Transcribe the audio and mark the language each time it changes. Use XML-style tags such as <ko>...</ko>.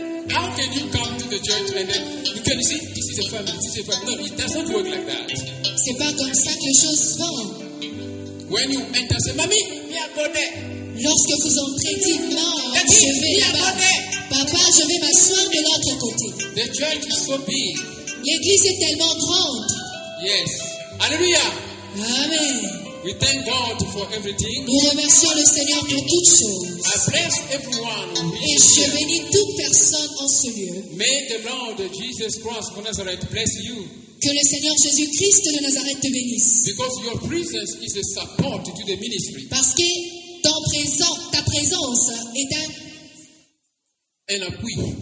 <en>How can you come to the church and then you can see this is a family, this is a family? No, it does not work like that.</en> <fr>C'est pas comme ça que les choses sont.</fr> <en>When you enter, say, "Mami, mi abode."</en> <fr>Lorsque vous entrez, dites, "Maman, je vais là-bas. Papa, je vais m'asseoir de l'autre côté."</fr> <en>The church is so big.</en> <fr>L'église est tellement grande.</fr> <en>Yes. Alléluia. Amen. We thank God for everything.</en> <fr>Nous remercions le Seigneur pour toutes choses.</fr> <en>I bless everyone.</en> <fr>Et je bénis toute personne en ce lieu.</fr> <en>May the Lord Jesus Christ of Nazareth bless you.</en> <fr>Que le Seigneur Jésus-Christ de Nazareth te bénisse.</fr> <en>Because your presence is a support to the ministry.</en> <fr>Parce que ta présence est un appui.</fr>